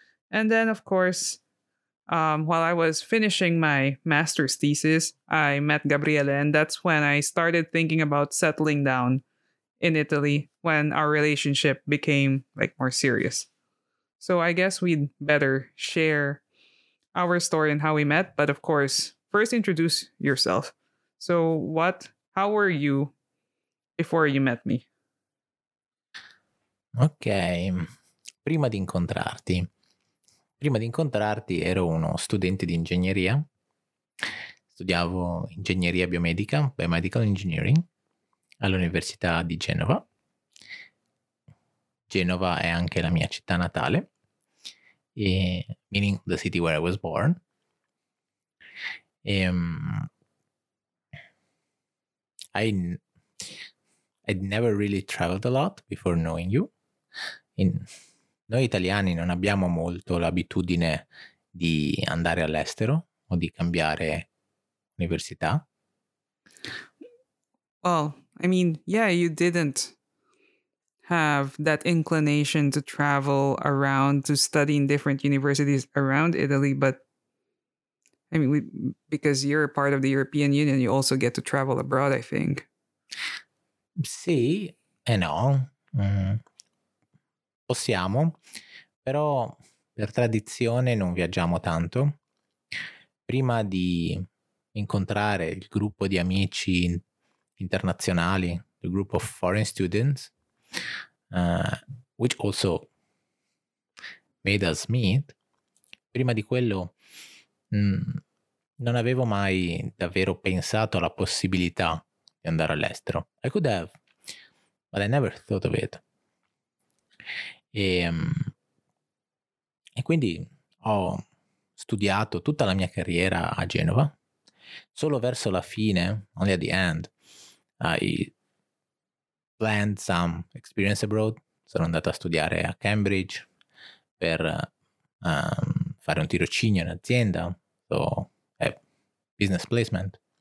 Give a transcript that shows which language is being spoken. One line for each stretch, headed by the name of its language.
English: And then, of course, while I was finishing my master's thesis, I met Gabriele, and that's when I started thinking about settling down in Italy, when our relationship became like more serious. So I guess we'd better share our story and how we met. But of course, first introduce yourself. So how were you before you met me?
Italian: Okay, prima di incontrarti ero uno studente di ingegneria, studiavo ingegneria biomedica,
English: biomedical engineering,
Italian: all'Università di Genova. Genova è anche la mia città natale, e,
English: meaning the city where I was born. I'd never really traveled a lot before knowing you.
Italian: Noi italiani non abbiamo molto l'abitudine di andare all'estero o di cambiare università.
English: Well, I mean, yeah, you didn't have that inclination to travel around to study in different universities around Italy, but I mean, because you're a part of the European Union, you also get to travel abroad, I think.
Italian: Sì, e no. Possiamo, però per tradizione non viaggiamo tanto. Prima di incontrare il gruppo di amici internazionali,
English: the group of foreign students, which also made us meet,
Italian: prima di quello non avevo mai davvero pensato alla possibilità di andare all'estero.
English: I could have, but I never thought of it.
Italian: E quindi ho studiato tutta la mia carriera a Genova. Solo verso la fine,
English: only at the end,
Italian: I planned some experience abroad. Sono andato a studiare a Cambridge per fare un tirocinio in azienda,
English: so business placement.